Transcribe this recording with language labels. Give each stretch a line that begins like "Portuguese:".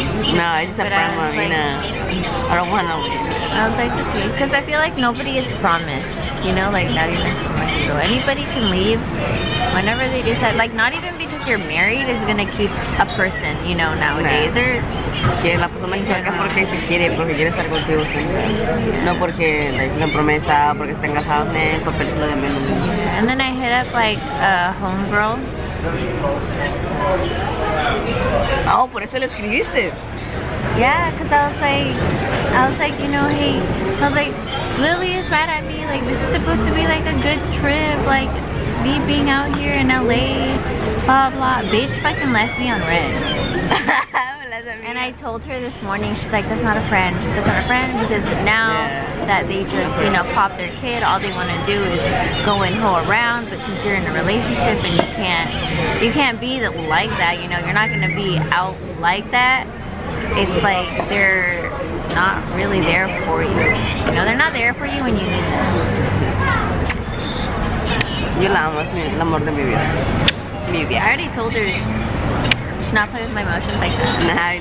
English: No, it's just a prank, like, I don't wanna. I was like, okay, because I feel like nobody is promised, you know, like not even. Anybody can leave whenever they decide. Like, not even because you're married is gonna keep a person, you know, nowadays. Or
Spanish: que la persona se acerca porque te quiere, porque quiere estar contigo siempre. No porque like una promesa, porque estén casados, ni papeles lo demás.
English: And then I hit up like a homegirl.
Spanish: Oh, por eso le escribiste.
English: Yeah, because I was like, you know, hey, I was like, Lily is mad at me, like, this is supposed to be, like, a good trip, like, me being out here in LA, blah, blah, bitch fucking left me on red. And I told her this morning, she's like, that's not a friend, because now that they just, you know, pop their kid, all they want to do is go and hoe around, but since you're in a relationship and you can't be like that, you know, you're not going to be out like that. It's like they're not really there for you. You know, they're not there for you when you need them.
Spanish: Yo la amo, es el amor de mi vida.
English: I already told her to not play with my emotions like that.